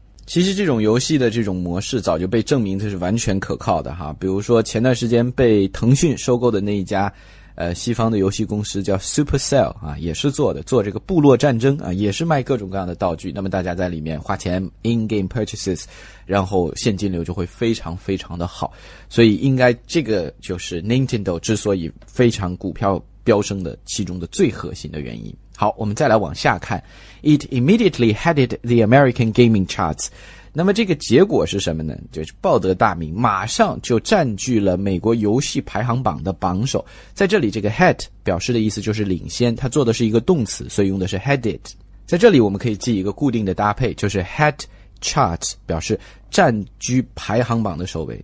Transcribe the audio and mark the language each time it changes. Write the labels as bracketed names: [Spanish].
[Chinese] 其实这种游戏的这种模式早就被证明这是完全可靠的哈，比如说前段时间被腾讯收购的那一家西方的游戏公司叫 Supercell 啊，也是做这个部落战争啊，也是卖各种各样的道具。那么大家在里面花钱 in-game purchases， 然后现金流就会非常非常的好。所以应该这个就是 Nintendo 之所以非常股票飙升的其中的最核心的原因。好，我们再来往下看 [English] ，It immediately headed the American gaming charts。 [Chinese] 那么这个结果是什么呢？就是抱得大名，马上就占据了美国游戏排行榜的榜首。在这里这个 head 表示的意思就是领先，它做的是一个动词，所以用的是 headed。在这里我们可以记一个固定的搭配，就是 head chart 表示占据排行榜的首位。